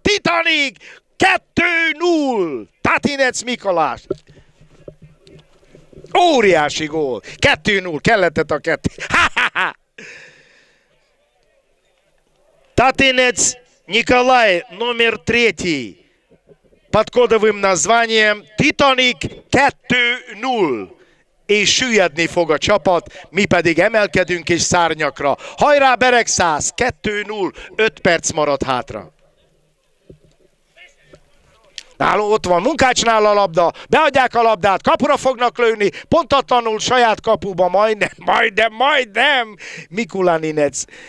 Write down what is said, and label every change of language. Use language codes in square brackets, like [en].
[hu] Titanic! 2-0! Tatinec Mikolás! Óriási gól! 2-0! Kellett a kettő! [ru] Tatinec Nikolaj, номер 3. Под кодовым названием «Титаник 2-0». [hu] És süllyedni fog a csapat, mi pedig emelkedünk is szárnyakra. Hajrá, Beregszász! 2-0, 5 perc maradt hátra. Náló ott van Munkácsnál a labda, beadják a labdát, kapura fognak lőni, pontatlanul saját kapuba, majdnem, Mikulaninec.